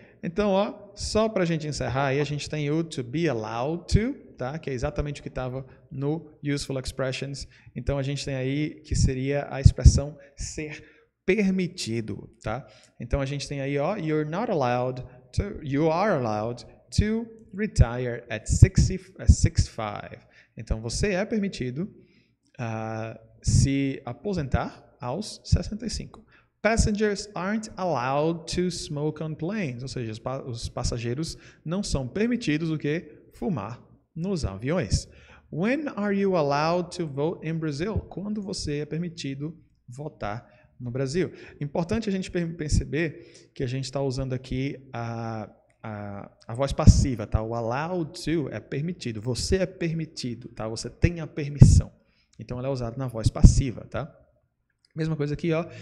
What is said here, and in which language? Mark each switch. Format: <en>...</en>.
<pt>Então, ó, só pra gente encerrar aí, a gente tem o to be allowed to, tá? Que é exatamente o que tava no useful expressions. Então, a gente tem aí que seria a expressão ser permitido, tá? Então, a gente tem aí, ó,</pt> <en>you're not allowed to, you are allowed to retire at 65.</en> <pt>Então, você é permitido se aposentar aos 65.</pt> <en>Passengers aren't allowed to smoke on planes.</en> <pt>Ou seja, os passageiros não são permitidos o quê? Fumar nos aviões.</pt> <en>When are you allowed to vote in Brazil?</en> <pt>Quando você é permitido votar no Brasil? Importante a gente perceber que a gente está usando aqui a voz passiva, tá? O allowed to é permitido. Você é permitido, tá? Você tem a permissão. Então, ela é usada na voz passiva, tá? Mesma coisa aqui, ó.</pt>